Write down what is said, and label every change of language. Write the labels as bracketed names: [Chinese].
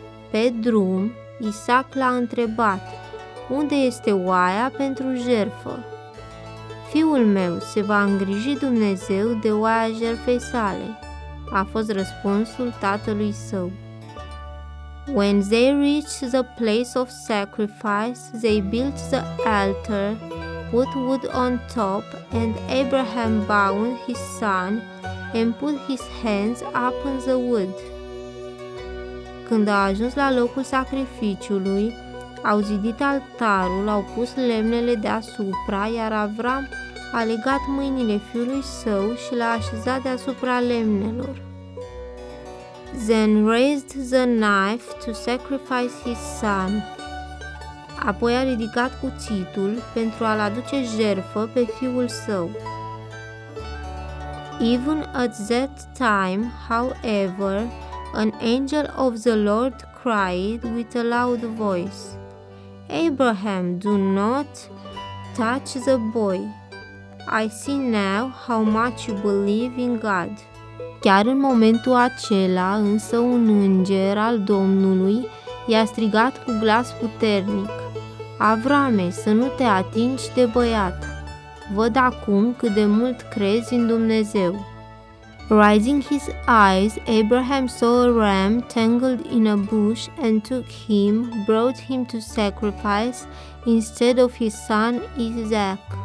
[Romanian] Pe drum, Isaac l-a întrebat, "Unde este oaia pentru jertfă?" "Fiul meu, se va îngriji Dumnezeu de oaia jertfei sale," a fost răspunsul tatălui său. [English] When they reached the place of sacrifice, they built the altar, put wood on top, and Abraham bound his son and put his hands up on the wood. [Romanian] Când au ajuns la locul sacrificiului, au zidit altarul, au pus lemnele deasupra, iar Avram a legat mâinile fiului său și l-a așezat deasupra lemnelor. [English] Then raised the knife to sacrifice his son. [Romanian] Apoi a ridicat cuțitul pentru a-l aduce jertfă pe fiul său. [English] Even at that time, however, an angel of the Lord cried with a loud voice, "Abraham, do not touch the boy. I see now how much you believe in God." [Romanian] Chiar în momentul acela, însă, un înger al Domnului i-a strigat cu glas puternic, "Avrame, să nu te atingi de băiat. Văd acum cât de mult crezi în Dumnezeu." [English] Raising his eyes, Abraham saw a ram tangled in a bush and took him, brought him to sacrifice instead of his son Isaac.